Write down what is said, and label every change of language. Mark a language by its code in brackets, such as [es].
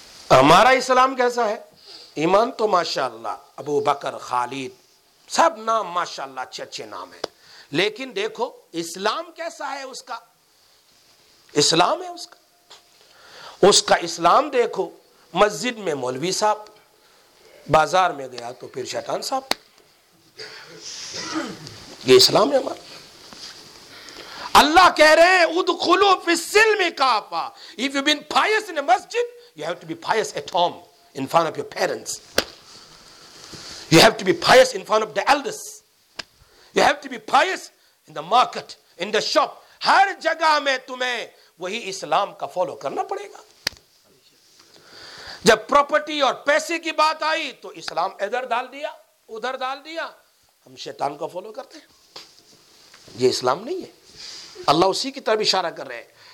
[ur] ہمارا اسلام کیسا ہے؟ ایمان تو ماشاءاللہ, ابو بکر, خالد, سب نام ماشاءاللہ اچھے اچھے نام ہیں, لیکن دیکھو اسلام کیسا ہے؟ اس کا اسلام ہے, اس کا اسلام دیکھو. مسجد میں مولوی صاحب, بازار میں گیا تو پھر شیطان صاحب. یہ اسلام ہے ہمارا. اللہ کہہ رہے ہیں [ar] ادخلوا فی السلم کافا. [en] If you've been pious in a masjid, you have to be pious at home in front of your parents. You have to be pious in front of the elders. You have to be pious in the market, in the shop. [ur] ہر جگہ میں تمہیں وہی اسلام کا follow کرنا پڑے گا. جب property اور پیسے کی بات آئی تو اسلام ادھر ڈال دیا, ادھر ڈال دیا. ہم شیطان کا فالو کرتے ہیں. یہ اسلام نہیں ہے. اللہ اسی کی طرف اشارہ کر رہے ہیں